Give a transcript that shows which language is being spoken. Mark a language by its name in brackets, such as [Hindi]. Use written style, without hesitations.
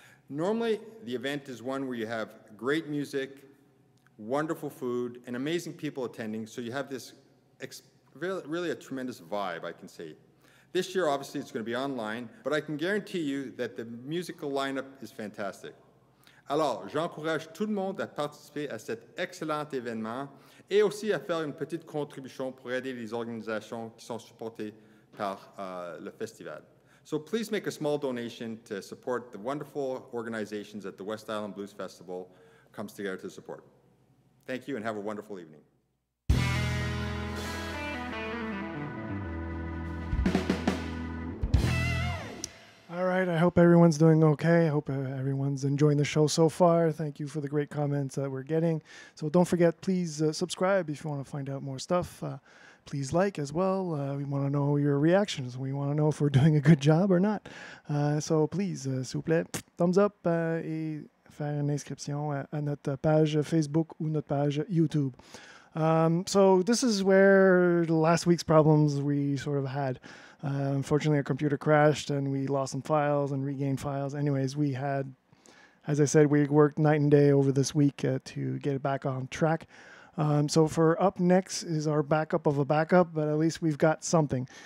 [English] Normally, the event is one where you have great music, wonderful food, and amazing people attending, so you have this really a tremendous vibe, I can say. This year, obviously, it's going to be online, but I can guarantee you that the musical lineup is fantastic. [French] Alors, j'encourage tout le monde à participer à cet excellent événement et aussi à faire une petite contribution pour aider les organisations qui sont supportées par le festival. [English] So please make a small donation to support the wonderful organizations that the West Island Blues Festival comes together to support. Thank you and have a wonderful evening. All right, I hope everyone's doing okay. I hope everyone's enjoying the show so far. Thank you for the great comments that we're getting. So don't forget, please subscribe if you want to find out more stuff. Please like as well. We want to know your reactions. We want to know if we're doing a good job or not. So please, [French] s'il vous plaît, thumbs up et faire une inscription à notre page Facebook ou notre page YouTube. [English] So this is where the last week's problems we sort of had. Unfortunately, our computer crashed and we lost some files and regained files. Anyways, we had, as I said, we worked night and day over this week to get it back on track. So for up next is our backup of a backup, but at least we've got something.